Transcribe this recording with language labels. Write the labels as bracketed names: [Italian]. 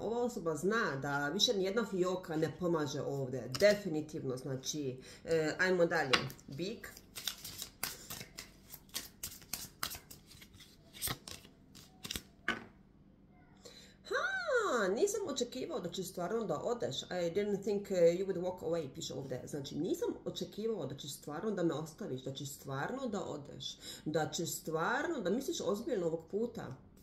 [Bosnian] Ova osoba zna da više nijedna fioka ne pomaže ovdje. Definitivno, znači, ajmo dalje. Bik. Nisam očekivao da će stvarno da odeš. [English] I didn't think you would walk away, [Bosnian] piše ovdje. Znači, nisam očekivao da će stvarno da me ostaviš, da će stvarno da odeš, da će stvarno da misliš ozbiljno ovog puta.